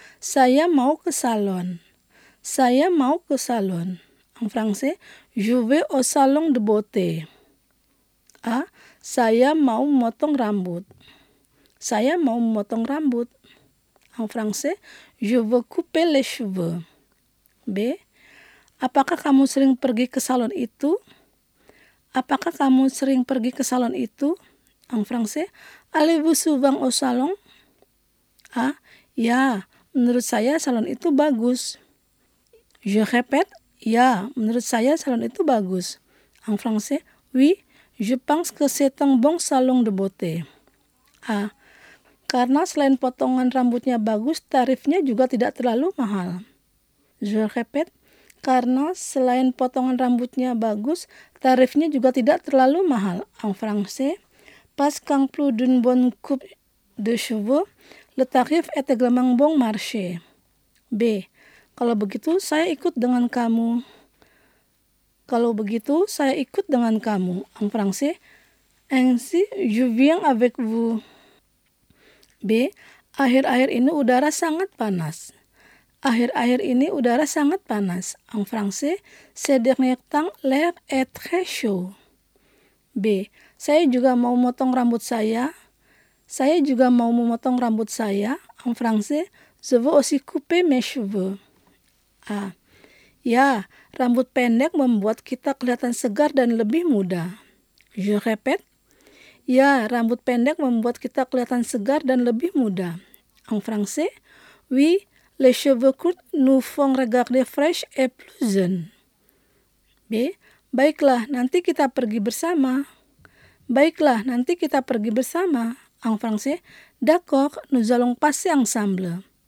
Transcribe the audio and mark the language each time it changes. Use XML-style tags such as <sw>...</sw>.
<id>Saya mau ke salon. Saya mau ke salon.</id> <fr>En français, je vais au salon de beauté. A.</fr> <id>Saya mau motong rambut. Saya mau motong rambut.</id> <fr>En français, je veux couper les cheveux. B.</fr> <id>Apakah kamu sering pergi ke salon itu? Apakah kamu sering pergi ke salon itu?</id> <fr>En français, allez-vous souvent au salon? A.</fr> <id>Ya, menurut saya salon itu bagus.</id> <fr>Je répète,</fr> <id>ya, menurut saya salon itu bagus.</id> <fr>En français, oui, je pense que c'est un bon salon de beauté. A.</fr> <id>Karena selain potongan rambutnya bagus, tarifnya juga tidak terlalu mahal.</id> <fr>Je répète,</fr> <id>karena selain potongan rambutnya bagus, tarifnya juga tidak terlalu mahal.</id> <fr>En français, parce qu'en plus d'une bonne coupe de cheveux, le tarif est également bon marché. B.</fr> <id>Kalau begitu, saya ikut dengan kamu. Kalau begitu, saya ikut dengan kamu.</id> <fr>En français, ainsi, je viens avec vous. B.</fr> <id>Akhir-akhir ini udara sangat panas. Akhir-akhir ini udara sangat panas.</id> <fr>En français, ces derniers temps, l'air est très chaud. B.</fr> <id>Saya juga mau memotong rambut saya. Saya juga mau memotong rambut saya.</id> <fr>En français, je veux aussi couper mes cheveux.</fr> <id>A. Ya, rambut pendek membuat kita kelihatan segar dan lebih muda.</id> <fr>Je répète.</fr> <id>Ya, rambut pendek membuat kita kelihatan segar dan lebih muda.</id> <fr>En français, oui, les cheveux courts nous font regarder fresh et plus jeune.</fr> <id>B, baiklah, nanti kita pergi bersama. Baiklah, nanti kita pergi bersama.</id> <fr>En français, d'accord, nous allons passer ensemble.</fr>